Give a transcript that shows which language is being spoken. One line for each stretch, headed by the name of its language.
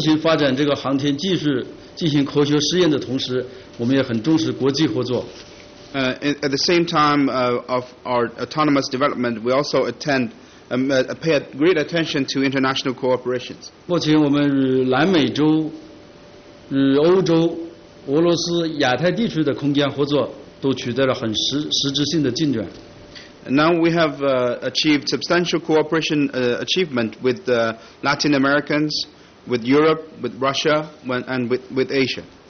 Chinese: 这个与此同时，我们在自行发展这个航天技术。进行科学实验的同时，我们也很重视国际合作。
English: At the same time of our autonomous development, we also pay great attention to international cooperations.
Chinese: 目前我们与南美洲、与欧洲、俄罗斯、亚太地区的空间合作都取得了很实质性的进展。
English: Now we have achieved substantial cooperation achievement with the Latin Americans, with Europe, with Russia, and with Asia.